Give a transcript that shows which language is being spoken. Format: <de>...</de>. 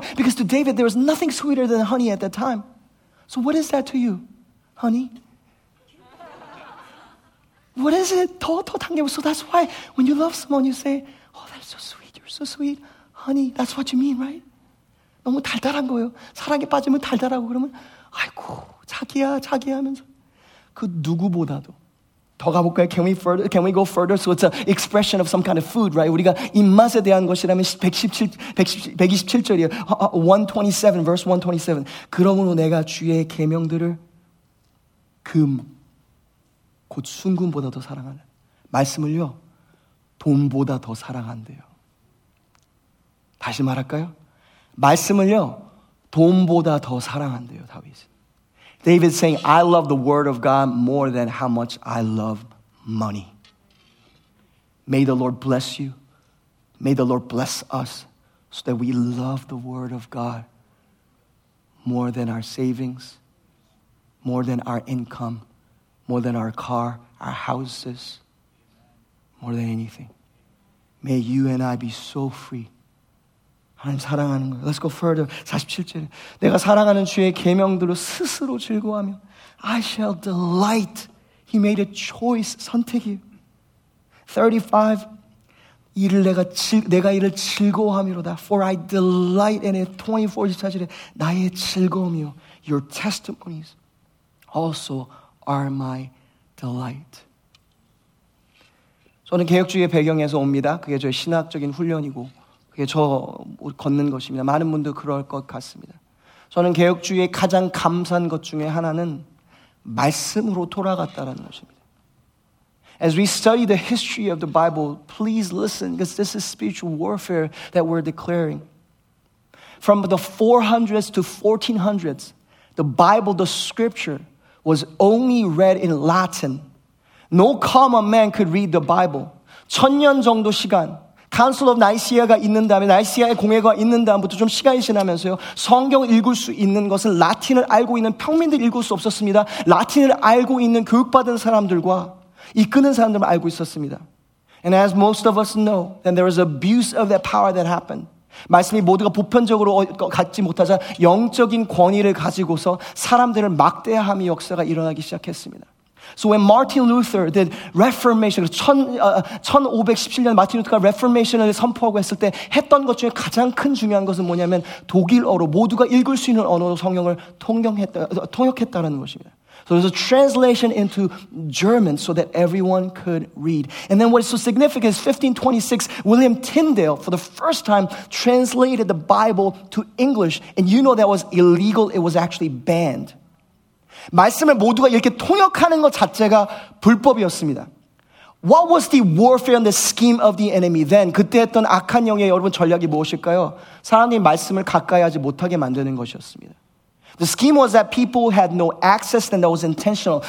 <en>Because to David, there was nothing sweeter than honey at that time. So what is that to you, honey? What is it?</en> <ko>더 단 게 없어.</ko> <en>So that's why when you love someone, you say, oh, that's so sweet, you're so sweet. Honey, that's what you mean, right?</en> <ko>너무 달달한 거예요. 사랑에 빠지면 달달하고 그러면 아이고, 자기야, 자기야 하면서 그 누구보다도 더 가볼까요?</ko> <en>Can we go further? So it's an expression of some kind of food, right?</en> <ko>우리가 입맛에 대한 것이라면 127절이에요.</ko> <en>127, verse 127.</en> <ko>그러므로 내가 주의 계명들을 금, 곧 순금보다 더 사랑하는 말씀을요, 돈보다 더 사랑한대요. 다시 말할까요? 말씀을요, 돈보다 더 사랑한대요, 다윗은.</ko> <en>David saying, I love the word of God more than how much I love money. May the Lord bless you. May the Lord bless us so that we love the word of God more than our savings, more than our income, more than our car, our houses, more than anything. May you and I be so free.</en> <ko>하나님 사랑하는 거예요.</ko> <en>Let's go further.</en> <ko>47절. 내가 사랑하는 주의 계명들로 스스로 즐거워하며</ko> <en>I shall delight. He made a choice.</en> <ko>선택이에요.</ko> <en>35.</en> <ko>이를 내가 이를 즐거워하미로다.</ko> <en>For I delight in it. 24.</en> <ko>24절에 나의 즐거움이요.</ko> <en>Your testimonies also are my delight.</en> <ko>저는 개혁주의 배경에서 옵니다. 그게 저의 신학적인 훈련이고 그게 저 걷는 것입니다. 많은 분도 그럴 것 같습니다. 저는 개혁주의의 가장 감사한 것 중에 하나는 말씀으로 돌아갔다라는 것입니다.</ko> <en>As we study the history of the Bible, please listen, because this is spiritual warfare that we're declaring. From the 400s to 1400s, the Bible, the scripture, was only read in Latin. No common man could read the Bible.</en> <ko>1000년 정도 시간, Council of Nicaea가 있는 다음에 나이시아의 공회가 있는 다음부터 좀 시간이 지나면서요 성경을 읽을 수 있는 것은 라틴을 알고 있는 평민들 읽을 수 없었습니다. 라틴을 알고 있는 교육받은 사람들과 이끄는 사람들만 알고 있었습니다.</ko> <en>And as most of us know, then there was abuse of that power that happened.</en> <ko>말씀이 모두가 보편적으로 갖지 못하자 영적인 권위를 가지고서 사람들을 막대함의 역사가 일어나기 시작했습니다.</ko> <en>So when Martin Luther did Reformation,</en> <ko>1517년 마틴 루터가 Reformation을 선포하고 했을 때 했던 것 중에 가장 큰 중요한 것은 뭐냐면 독일어로 모두가 읽을 수 있는 언어로 성경을 통역했다라는 것입니다.</ko> <en>So there's a translation into German so that everyone could read. And then what is so significant is 1526, William Tyndale for the first time translated the Bible to English. And you know that was illegal. It was actually banned.</en> <ko>말씀을 모두가 이렇게 통역하는 것 자체가 불법이었습니다.</ko> <en>What was the warfare and the scheme of the enemy then?</en> <ko>그때 했던 악한 영의 여러분 전략이 무엇일까요? 사람들이 말씀을 가까이 하지 못하게 만드는 것이었습니다.</ko> <en>The scheme was that people had no access and that was intentional.</en>